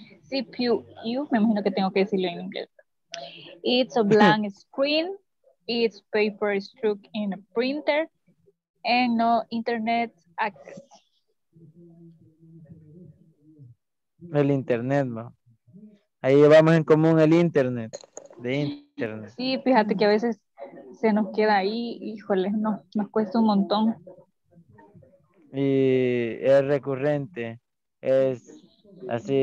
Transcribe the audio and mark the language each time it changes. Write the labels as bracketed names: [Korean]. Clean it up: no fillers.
[Spanish] CPU, me imagino que tengo que decirlo en inglés. [English] It's a blank screen. It's paper struck in a printer and no internet access. [Spanish] El internet, ¿no? Ahí llevamos en común el internet, de internet. Sí, fíjate que a veces se nos queda ahí, híjole, no, nos cuesta un montón. Y es recurrente, es así.